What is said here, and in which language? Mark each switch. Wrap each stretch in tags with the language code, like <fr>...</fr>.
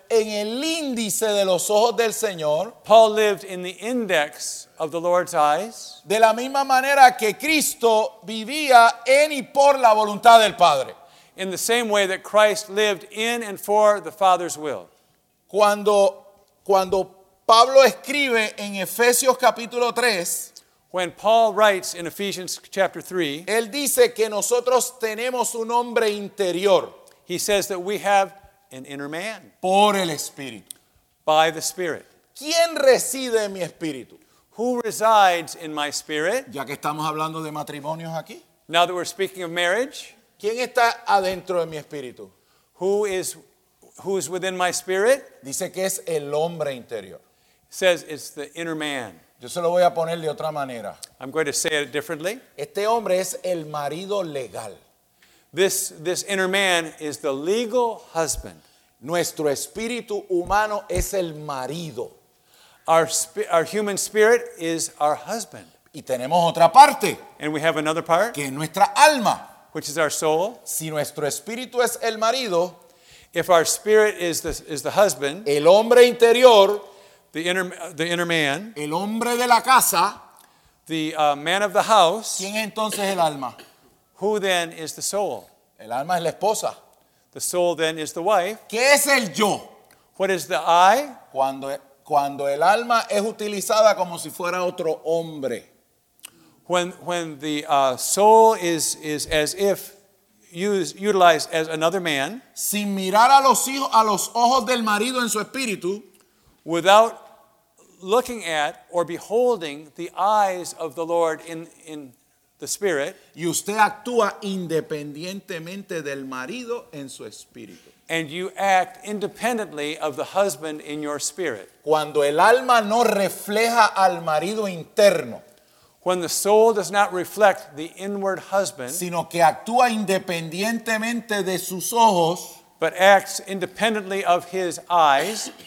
<es>en el índice de los ojos del Señor.</es> <en>Paul lived in the index of the Lord's eyes.</en> <es>De la misma manera que Cristo vivía en y por la voluntad del Padre.</es> <en>In the same way that Christ lived in and for the Father's will.</en> <es>Cuando Pablo escribe en Efesios capítulo 3,</es> <en>when Paul writes in Ephesians chapter 3,</en> <es>él dice que nosotros tenemos un hombre interior.</es> <en>He says that we have an inner man.</en> <es>Por el Espíritu.</es> <en>By the Spirit.</en> <es>¿Quién reside en mi espíritu?</es> <en>Who resides in my spirit?</en> <es>Ya que estamos hablando de matrimonios aquí.</es> <en>Now that we're speaking of marriage.</en> <es>¿Quién está adentro de mi espíritu?</es> <en>Who is within my spirit?</en> <es>Dice que es el hombre interior.</es> <en>Says it's the inner man.</en> <es>Yo se lo voy a poner de otra manera.</es> <en>I'm going to say it differently.</en> <es>Este hombre es el marido legal.</es> <en>This inner man is the legal husband.</en> <es>Nuestro espíritu humano es el marido.</es> <en>Our human spirit is our husband.</en> <es>Y tenemos otra parte.</es> <en>And we have another part.</en> <es>Que es nuestra alma.</es> <en>Which is our soul.</en> <es>Si nuestro espíritu es el marido.</es> <en>If our spirit is the husband.</en> <es>El hombre interior.</es> <en>The inner man.</en> <es>El hombre de la casa.</es> <en>The man of the house.</en> <es>¿Quién es entonces el alma?</es> <en>Who then is the soul?</en> <es>El alma es la esposa.</es> <en>The soul then is the wife.</en> <es>¿Qué es el yo?</es> <en>What is the I?</en> <es>Cuando el alma es utilizada como si fuera otro hombre.</es> <en>When the soul is as if utilized as another man.</en> <es>Sin mirar a los hijos, a los ojos del marido en su espíritu.</es> <en>Without looking at or beholding the eyes of the Lord in the Spirit.</en> <es>Y usted actúa independientemente del marido en su espíritu.</es> <en>And you act independently of the husband in your spirit.</en> <es>Cuando el alma no refleja al marido interno.</es> <en>When the soul does not reflect the inward husband.</en> <es>Sino que actúa independientemente de sus ojos.</es> <en>But acts independently of his eyes.</en>